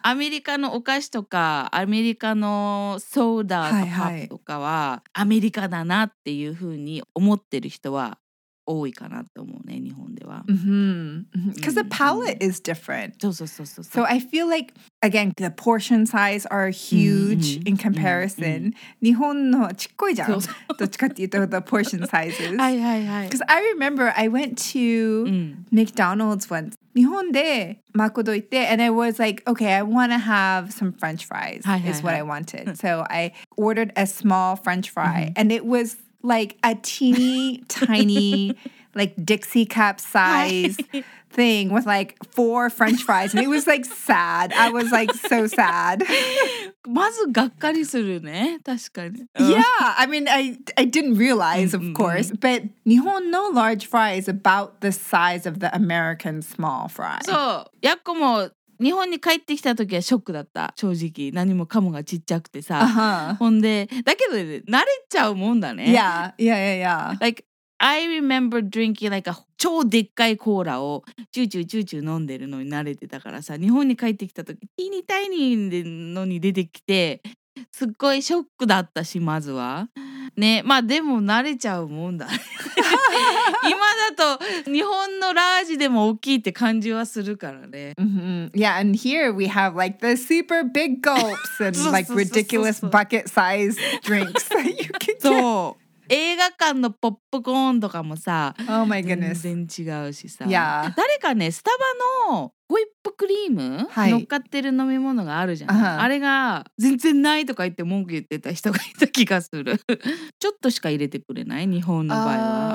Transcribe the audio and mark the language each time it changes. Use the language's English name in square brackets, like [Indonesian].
[Japanese] アメリカのお菓子とか、アメリカのソーダとかとかは、アメリカだなっていう風に思ってる人は、多いかなと思うね、日本では。 [English] Because the palate is different. [Japanese] そうそうそうそう。 [English] So I feel like, again, the portion size are huge in comparison. [Japanese] 日本のちっこいじゃん。そうそう。どっちかっていうと、 [English] the portion sizes. [Japanese] はいはいはい。 [English] Because I remember I went to McDonald's once. [Japanese] 日本でマクド行って、 [English] and I was like, okay, I want to have some french fries, [Japanese] はいはいはい、 [English] is what I wanted. So I ordered a small french fry, and it was... Like a teeny tiny, like Dixie cup size thing with like four French fries, and it was like sad. I was like so sad. [Japanese] まずがっかりするね。確かに。 [English] Yeah, I mean, I didn't realize, of course, but 日本の large fry is about the size of the American small fry. [Japanese] そう、やっこも。日本に帰ってきた時はショックだった。正直何もかもがちっちゃくてさ、ほんでだけど、ね、慣れちゃうもんだね。 [English] Yeah, yeah, yeah, yeah. Like I remember drinking like a [Japanese] 超でっかいコーラをチューチューチューチュー飲んでるのに慣れてたからさ、日本に帰ってきた時ティーニータイニーのに出てきて、すっごいショックだったし、まずはね、まあでも慣れちゃうもんだね。今だと日本のラージでも大きいって感じはするからね。 [English] Yeah, and here we have like the super big gulps and like ridiculous bucket size drinks that you can get. [Japanese] そう。映画館のポップコーンとかもさ、 [English] Oh my goodness. [Japanese] 全然違うしさ。 [English] Yeah. [Japanese] 誰かね、スタバのホイップクリーム、はい、乗っかってる飲み物があるじゃん、uh-huh. あれが全然ないとか言って文句言ってた人がいた気がする。ちょっとしか入れてくれない、日本の場合は、